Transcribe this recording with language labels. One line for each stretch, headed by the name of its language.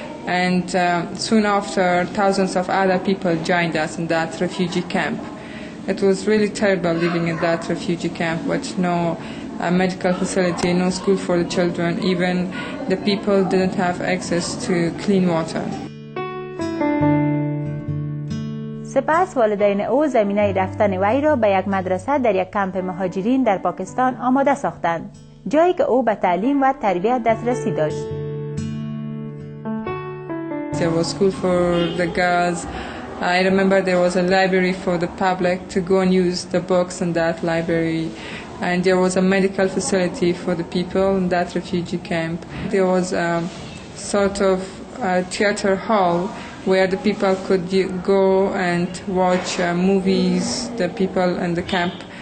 English: And soon after, thousands of other people joined us in that refugee camp. It was really terrible living in that refugee camp with no medical facility, no school for the children. Even the people didn't have access to clean water.
Persian: سپس والدین او زمینه رفتن وی را به یک مدرسه در یک کمپ مهاجرین در پاکستان آماده ساختند، جایی که او به تعلیم و تربیت دسترسی داشت.
English: There was school for the girls. I remember there was a library for the public to go and use the books in that library. And there was a medical facility for the people in that refugee camp. There was a sort of a theater hall where the people could go and watch movies, the people in the camp.